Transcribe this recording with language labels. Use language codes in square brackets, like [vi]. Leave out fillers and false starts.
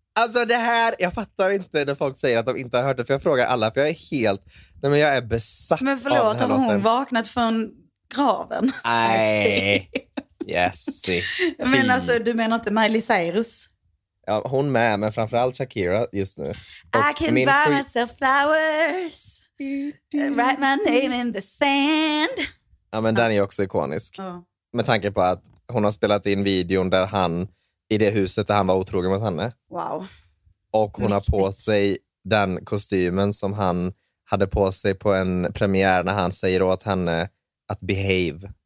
[sv] Alltså det här, jag fattar inte när folk säger att de inte har hört det, för jag frågar alla, för jag är helt, nej men jag är besatt. Men förlåt, av den här har hon låten. Vaknat från graven? Nej. Jessi. Men alltså, du menar inte Miley Cyrus? Ja, hon med, men framförallt Shakira just nu. [en] Och I can buy myself flowers. Write my name in the sand. [sv] Ja, men den är också ikonisk. Med tanke på att hon har spelat in videon där han, i det huset där han var otrogen mot henne. Wow. Och hon har på sig den kostymen som han hade på sig på en premiär när han säger åt henne att behave.